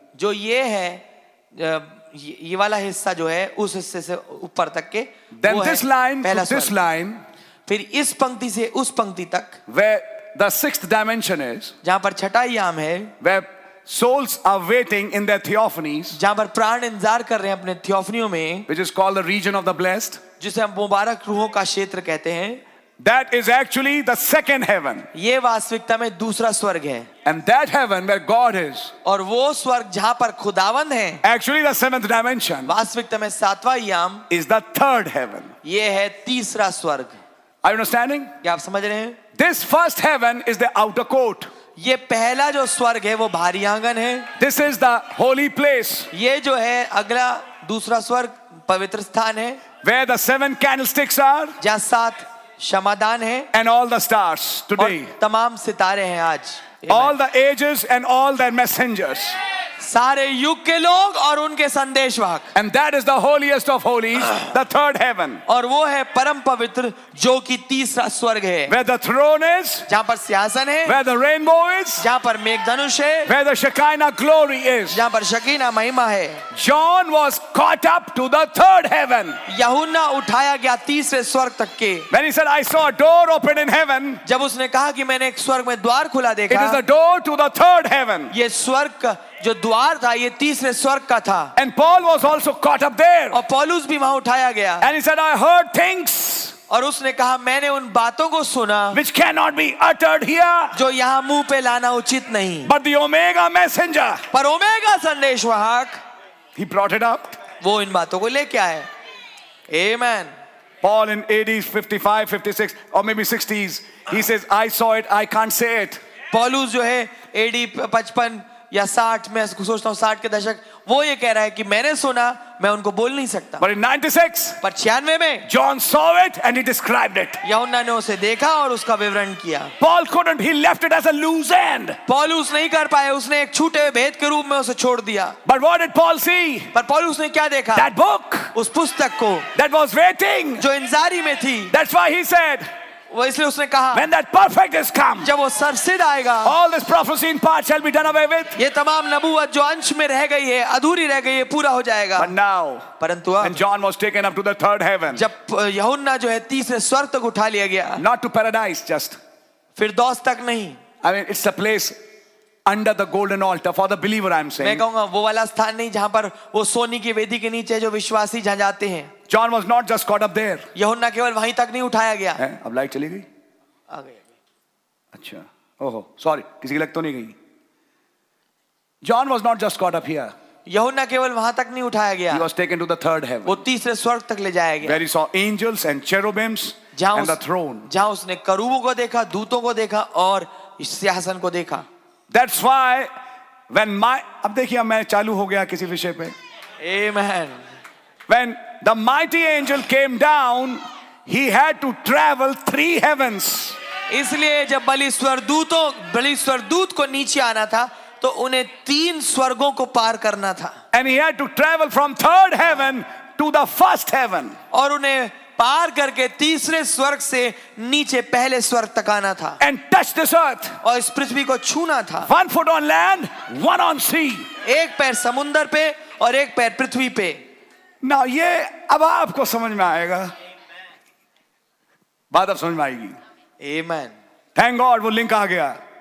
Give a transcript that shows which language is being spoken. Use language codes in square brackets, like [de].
[hi] जो ये है. ये वाला हिस्सा जो है उस हिस्से से ऊपर तक के [en] then this line to this line [hi] फिर इस पंक्ति से उस पंक्ति तक [en] where the sixth dimension is [hi] जहां पर छठा आयाम है [en] where souls are waiting in their theophanies [hi] जहां पर प्राण इंतजार कर रहे हैं अपने थियोफनियों में [en] which is called the region of the blessed [hi] जिसे हम मुबारक रूहों का क्षेत्र कहते हैं [en] That is actually the second heaven. [hi] ये वास्तविकता में दूसरा स्वर्ग है. [en] And that heaven where God is. [hi] और वो स्वर्ग जहाँ पर खुदावंद है. [en] Actually, the seventh dimension. [hi] वास्तविकता में सातवां आयाम. [en] Is the third heaven. [hi] ये है तीसरा स्वर्ग. [en] Are you understanding? [hi] क्या आप समझ रहे हैं? [en] This first heaven is the outer court. [hi] ये पहला जो स्वर्ग है वो बाहरी आंगन है. [en] This is the holy place. [hi] ये जो है अगला दूसरा स्वर्ग पवित्र स्थान है. [en] Where the seven candlesticks are. [hi] जहाँ सात शमादान है [en] and all the stars today [hi] तमाम सितारे हैं आज [en] all the ages and all their messengers [hi] सारे युग के लोग और उनके संदेशवाहक [en] and that is the holiest of holies the third heaven [hi] और वो है परम पवित्र जो कि तीसरा स्वर्ग है [en] where the throne is [hi] जहां पर सिंहासन है [en] where the rainbow is [hi] जहां पर मेघधनुष है [en] where the shekinah glory is [hi] जहां पर शकीना महिमा है [en] John was caught up to the third heaven [hi] यहूना उठाया गया तीसरे स्वर्ग तक के [en] when he said I saw a door open in heaven [hi] जब उसने कहा कि मैंने एक स्वर्ग में द्वार खुला देखा [en] it is the door to the third heaven [hi] ये स्वर्ग जो द्वार था ये तीसरे स्वर्ग का था [en] and Paul was also caught up there [hi] और पौलुस भी वहां उठाया गया [en] and he said I heard things [hi] और उसने कहा मैंने उन बातों को सुना [en] which can not be uttered here [hi] जो यहां मुंह पे लाना उचित नहीं [en] but the omega messenger [hi] पर omega संदेशवाहक [en] ही brought it up [hi] वो इन बातों को लेके आए आमेन [en] Paul in AD 55 56 और may be 60s he says I saw it I can't say it [hi] पौलुस जो है एडी 55 या 60 में सोचता हूँ 60 के दशक वो ये कह रहा है कि मैंने सुना मैं उनको बोल नहीं सकता [en] But in 96, [hi] पर 96 में [en] John saw it and he described it. [hi] यहुन्ना ने उसे देखा और उसका विवरण किया [en] Paul couldn't, he left it as a loose end. [hi] पौलुस नहीं कर पाया उसने एक छूटे भेद के रूप में उसे छोड़ दिया [en] But what did Paul see? [hi] पर पौलुस ने क्या देखा [en] That book, [hi] उस पुस्तक को [en] That was waiting. [hi] जो इंतजारी में थी [en] That's why he said, [hi] इसलिए उसने कहा [en] When that perfect is come, [hi] जब वो सरसिद्ध आएगा [en] all this prophecy in part shall be done away with, [hi] ये तमाम नबुवत जो अंश में रह गई है अधूरी रह गई है पूरा हो जाएगा [en] But now, [hi] परंतु [en] and John was taken up to the third heaven, [hi] जब यहुन्ना जो है तीसरे स्वर्ग तक उठा लिया गया [en] not to paradise just, [hi] फिर दोस तक नहीं [en] I mean it's a place under the golden altar for the believer I'm saying [hi] मैं कहूंगा वो वाला स्थान नहीं जहां पर वो सोनी की वेदी के नीचे जो विश्वासी जहां जाते हैं [en] John was not just caught up there. [hi] Yohanna केवल वहीं तक नहीं उठाया गया. है अब लाइट चली गई? आ गई. अच्छा. ओहो सॉरी किसी की लग तो नहीं गई. [en] John was not just caught up here. [hi] Yohanna केवल वहां तक नहीं उठाया गया. [en] He was taken to the third heaven. [hi] वो तीसरे स्वर्ग तक ले जाया गया. [en] Where he saw angels and cherubims and the throne. [hi] जहां उसने करूबों को देखा, दूतों को देखा और सिंहासन को देखा. [en] That's why when my [hi] अब देखिए मैं चालू हो गया किसी विषय पे. [en] Amen. When The mighty angel came down. He had to travel three heavens. [hi] इसलिए जब बलि स्वर्गदूत को नीचे आना था, तो उन्हें तीन स्वर्गों को पार करना था. [en] And he had to travel from third heaven to the first heaven. [hi] और उन्हें पार करके तीसरे स्वर्ग से नीचे पहले स्वर्ग तक आना था. [en] And touch this earth. [hi] और इस पृथ्वी को छूना था. [en] One foot on land, one on sea. [hi] एक पैर समुद्र पे और एक पैर पृथ्वी पे. [en] Now, [hi] ये अब आपको समझ में आएगा बात अब समझ में आएगी [en] Amen. Thank God, [hi] वो लिंक आ गया